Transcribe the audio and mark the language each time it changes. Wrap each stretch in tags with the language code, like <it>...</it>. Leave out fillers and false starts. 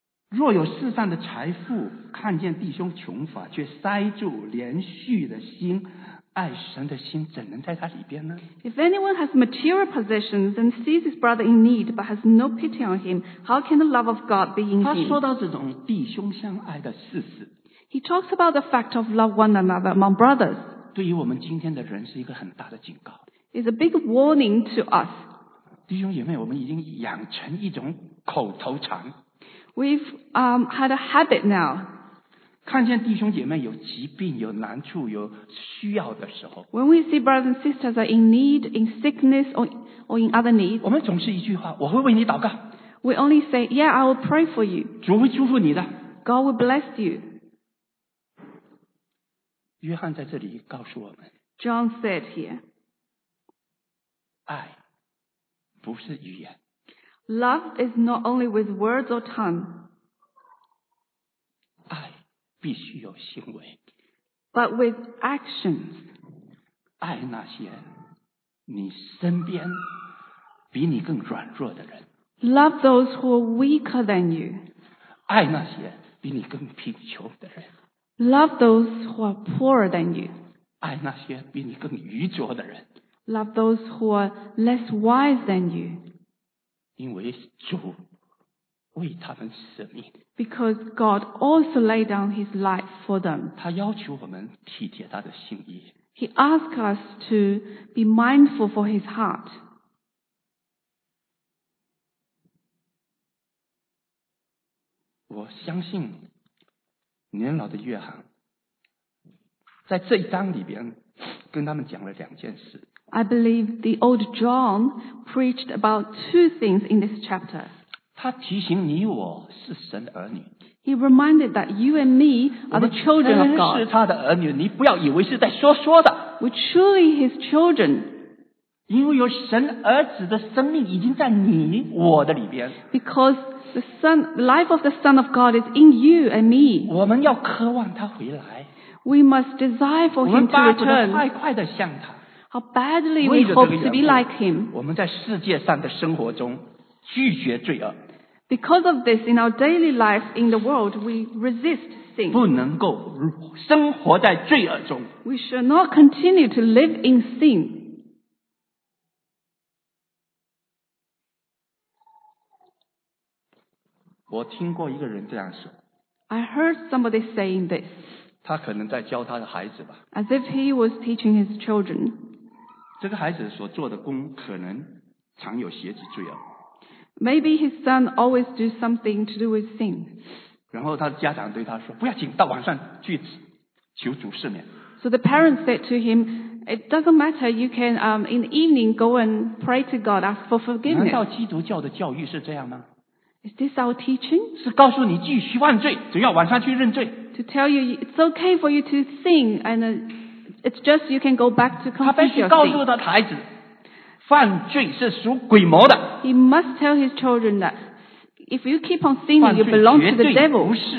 <zh>若有世上的财富，看见弟兄穷乏，却塞住连续的心，爱神的心怎能在他里边呢？</zh> <en>If anyone has material possessions and sees his brother in need but has no pity on him, how can the love of God be in him?</en> <zh>他说到这种弟兄相爱的事实。</zh> <en>He talks about the fact of love one another among brothers.</en> <zh>对于我们今天的人是一个很大的警告。</zh> <en>It's a big warning to us.</en> <zh>弟兄姐妹，我们已经养成一种口头禅。</zh> <en>We've had a habit now.</en> <zh>看见弟兄姐妹有疾病、有难处、有需要的时候</zh> <en>，When we see brothers and sisters are in need, in sickness or in other needs,</en> <zh>我们总是一句话：我会为你祷告。</zh> <en>We only say, "Yeah, I will pray for you."</en> <zh>主会祝福你的。</zh> <en>God will bless you.</en> <zh>约翰在这里告诉我们</zh> <en>，John said here,</en> <zh>爱不是语言。</zh> <en>Love is not only with words or tongue.</en> <zh>爱必须有行为。</zh> <en>But with actions.</en> <zh>爱那些你身边比你更软弱的人。</zh> <en>Love those who are weaker than you.</en> <zh>爱那些比你更贫穷的人。</zh> <en>Love those who are poorer than you.</en> <zh>爱那些比你更愚拙的人。</zh> <en>Love those who are less wise than you.</en> <zh>因为主为他们舍命。</zh> <en>Because God also laid down His life for them.</en> <zh>他要求我们体贴他的心意。</zh> <en>He asked us to be mindful for His heart.</en> <zh>我相信年老的约翰在这一章里边跟他们讲了两件事。</zh> <en>I believe the old John preached about two things in this chapter.</en> <zh>他提醒你我是神的儿女。</zh> <en>He reminded that you and me are the children of God.</en> <zh>我们真是他的儿女，你不要以为是在说说的。</zh> <en>We're truly His children.</en> <zh>因为有神儿子的生命已经在你我的里边。</zh> <en>Because the life of the Son of God is in you and me.</en> <zh>我们要渴望他回来。</zh> <en>We must desire for Him to return.</en> <zh>快快地向他。</zh> <en>How badly we hope to be like him.</en> <zh>我们在世界上的生活中拒绝罪恶。</zh> <en>Because of this, in our daily life in the world, we resist sin.</en> <zh>不能够生活在罪恶中。</zh> <en>We should not continue to live in sin.</en> <zh>我听过一个人这样说。</zh> <en>I heard somebody saying this.</en> <zh>他可能在教他的孩子吧。</zh> <en>As if he was teaching his children.</en> <zh>这个孩子所做的工可能常有邪子罪恶。</zh> <en>Maybe his son always do something to do with sin.</en> <zh>然后他的家长对他说：“不要紧，到晚上去求主赦免。”</zh> <en>So the parents said to him, "It doesn't matter. You can in the evening go and pray to God, ask for forgiveness."</en> <zh>难道基督教的教育是这样吗</zh> <en>？Is this our teaching?</en> <zh>是告诉你继续犯罪，只要晚上去认罪。</zh> <en>To tell you it's okay for you to sin and. It's just you can go back to confession. He must tell his children that if you keep on sinning, you belong to the devil.</en>